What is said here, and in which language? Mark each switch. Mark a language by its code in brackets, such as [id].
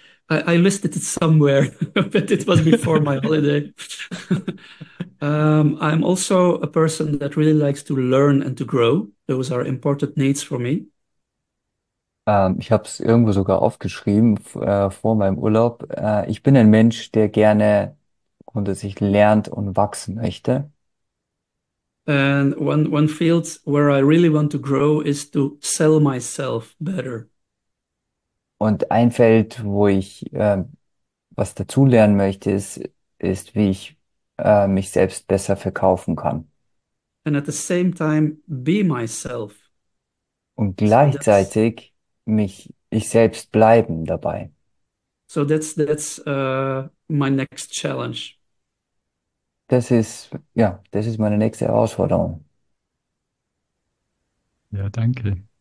[en] I listed it somewhere, but it was before my holiday. I'm also a person that really likes to learn and to grow. Those are important needs for me. [de] Ich habe es irgendwo sogar aufgeschrieben, vor meinem Urlaub. Ich bin ein Mensch, der gerne grundsätzlich lernt und wachsen möchte. [en] And one field where I really want to grow is to sell myself better. [de] Und ein Feld, wo ich was dazulernen möchte, ist, wie ich mich selbst besser verkaufen kann. [en] And at the same time be myself. [de] Und [en] So that's [de] gleichzeitig mich ich selbst bleiben dabei. [en] my next challenge. [de] Das ist, ja, das ist meine nächste Herausforderung. Ja, danke.